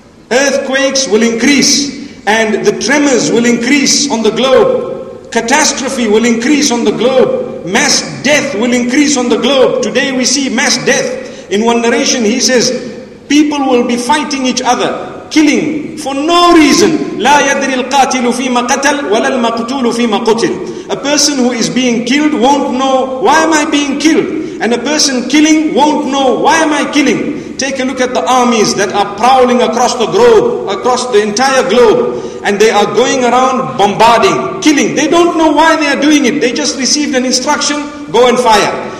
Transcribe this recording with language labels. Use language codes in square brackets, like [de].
[en] Earthquakes will increase. And the tremors will increase on the globe. Catastrophe will increase on the globe. Mass death will increase on the globe. Today we see mass death. In one narration he says, people will be fighting each other, killing for no reason. [ar] لا يدري القاتل فيما قتل ولا المقتول فيما قتل. [en] A person who is being killed won't know, why am I being killed? And a person killing won't know, why am I killing? Take a look at the armies that are prowling across the globe, across the entire globe, and they are going around bombarding, killing. They don't know why they are doing it. They just received an instruction, go and fire.